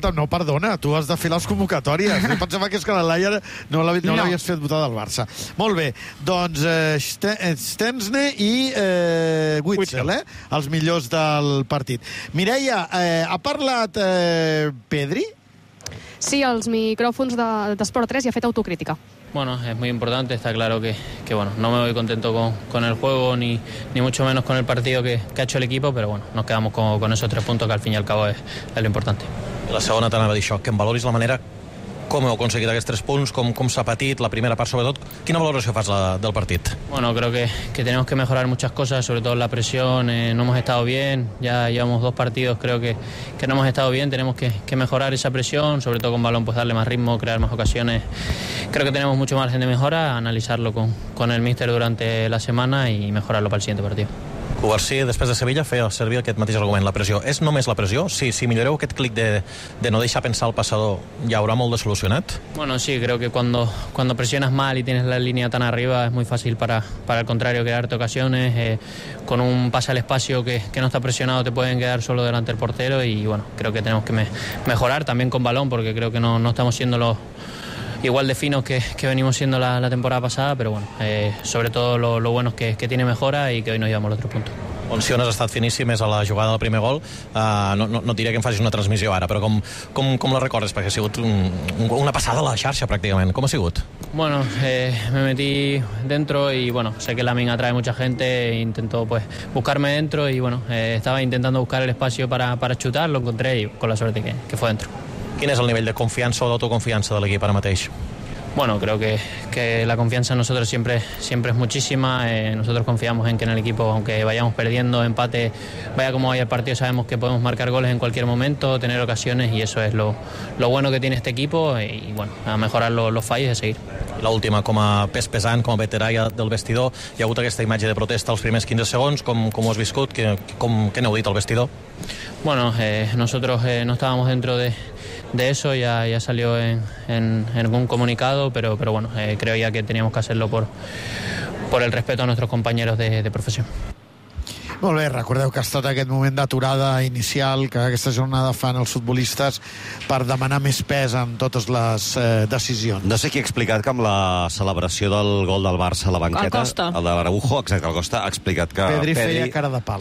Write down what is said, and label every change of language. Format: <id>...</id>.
<ca>Escolta, no, perdona, tu has de fer les convocatòries. Jo pensava que és que la Laia no l'havies fet votar del Barça. Molt bé, doncs Stensne i Witzel, els millors del partit. Mireia, ha parlat Pedri? Sí, als micròfons d'Esport 3 i ha fet autocrítica.</ca> <es>Bueno, es muy importante, está claro que bueno, no me voy contento con el juego ni mucho menos con el partido que ha hecho el equipo, pero bueno, nos quedamos con esos tres puntos que al fin y al cabo es lo importante.</es> <ca>La segona t'anava a dir això, que em valoris la manera com heu aconseguit aquests tres punts, com s'ha patit la primera part sobretot, quina valoració fas del partit?</ca> <es>Bueno, creo que tenemos que mejorar muchas cosas, sobre todo la presión, no hemos estado bien, ya llevamos dos partidos, creo que no hemos estado bien, tenemos que mejorar esa presión, sobre todo con balón, pues darle más ritmo, crear más ocasiones, creo que tenemos mucho margen de mejora, analizarlo con el míster durante la semana y mejorarlo para el siguiente partido.</es> <ca>Covarsí, després de Sevilla, feia servir aquest mateix argument. La pressió és només la pressió? Si millorareu aquest clic de no deixar pensar el passador, ja haurà molt de solucionat?</ca> <es>Bueno, sí, creo que cuando presionas mal y tienes la línea tan arriba, es muy fácil para el contrario crearte ocasiones. Con un pase al espacio que no está presionado, te pueden quedar solo delante del portero y, bueno, creo que tenemos que mejorar también con balón, porque creo que no estamos siendo los igual de finos que venimos siendo la temporada pasada, pero bueno, sobre todo lo bueno es que tiene mejora y que hoy nos llevamos el otro punto.</es> <ca>On si on has estat finíssim és a la jugada del primer gol. No diré que em facis una transmissió ara, però com la recordes? Perquè ha sigut una passada a la xarxa, pràcticament. Com ha sigut?</ca> <es>Bueno, me metí dentro y bueno, sé que Lamin atrae mucha gente, intento pues buscarme dentro y bueno, estaba intentando buscar el espacio para chutar, lo encontré y con la suerte que fue dentro. ¿Quién es el nivel de confianza o de autoconfianza del equipo ahora mismo? Bueno, creo que la confianza en nosotros siempre es muchísima. Nosotros confiamos en que en el equipo, aunque vayamos perdiendo, empate, vaya como vaya el partido, sabemos que podemos marcar goles en cualquier momento, tener ocasiones, y eso es lo bueno que tiene este equipo. Y bueno, a mejorar los fallos y a seguir.</es> <ca>La última, com a pes pesant, com a veterà del vestidor, hi ha hagut aquesta imatge de protesta els primers 15 segons. Com ho has viscut? Què n'heu dit al vestidor?</ca> <es>Bueno, nosotros no estábamos dentro de eso, ya salió en algún comunicado, pero bueno, creo ya que teníamos que hacerlo por el respeto a nuestros compañeros de profesión.</es> <ca>Molt bé, recordeu que ha estat aquest moment d'aturada inicial que aquesta jornada fan els futbolistes per demanar més pes en totes les decisions. No sé qui ha explicat que amb la celebració del gol del Barça a la banqueta... Acosta. El de Araujo, exacte, Acosta, ha explicat que... Pedri feia cara de pal.</ca>